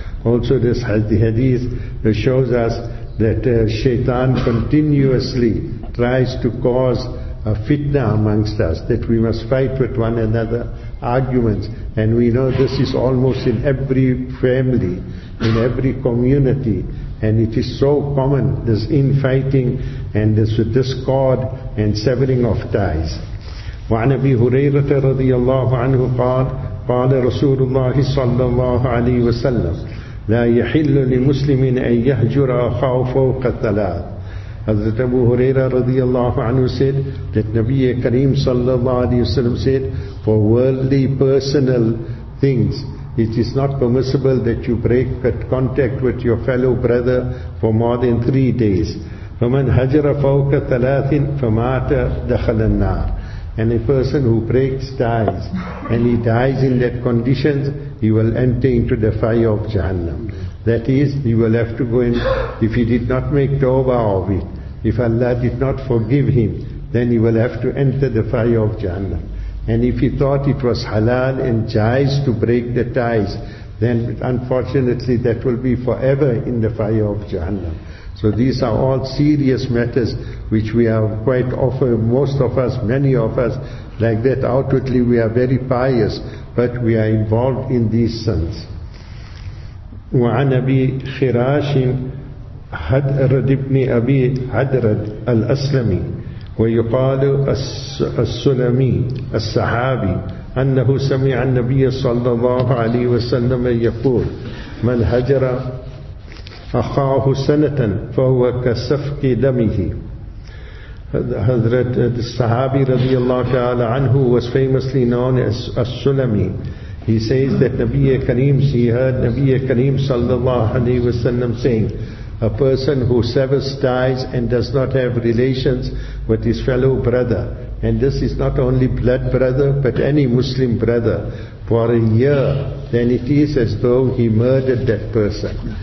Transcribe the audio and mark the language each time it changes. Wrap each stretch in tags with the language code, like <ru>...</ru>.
<en>Also this hadith shows us that shaitan continuously tries to cause a fitna amongst us, that we must fight with one another, arguments, and we know this is almost in every family, in every community, and it is so common, this infighting and this discord and severing of ties.</en> <ar>وعن أبي هريرة رضي الله عنه قال قال رسول الله صلى الله عليه وسلم لا يحل لمسلم أن يهجر أخاه فوق الثلاث.</ar> <en>Hazrat Abu Huraira radiallahu anhu said that Nabi Kareem sallallahu alayhi wasallam said, for worldly personal things, it is not permissible that you break contact with your fellow brother for more than 3 days.</en> <ar>فَمَنْ هَجْرَ فَوْكَ ثَلَاثٍ فَمَاتَ دَخَلَ النَّارِ.</ar> <en>And a person who breaks ties and he dies in that conditions, he will enter into the fire of Jahannam. That is, he will have to go in, if he did not make tawbah of it, if Allah did not forgive him, then he will have to enter the fire of Jahannam. And if he thought it was halal and jais to break the ties, then unfortunately that will be forever in the fire of Jahannam. So these are all serious matters which we are quite often, most of us, many of us, like that outwardly we are very pious, but we are involved in these sins.</en> <ar>وعن أبي خراش حدرد بن أبي حدرد الأسلمي ويقال السلمي الصحابي أنه سمع النبي صلى الله عليه وسلم يقول من هجر أخاه سنة فهو كسفك دمه. حضرت الصحابي رضي الله تعالى عنه</ar> <en>was famously known as</en> <ar>السلمي.</ar> <en>He says that he heard Nabi Kareem sallallahu alayhi wa sallam saying, a person who severs ties and does not have relations with his fellow brother, and this is not only blood brother, but any Muslim brother, for a year, then it is as though he murdered that person.</en>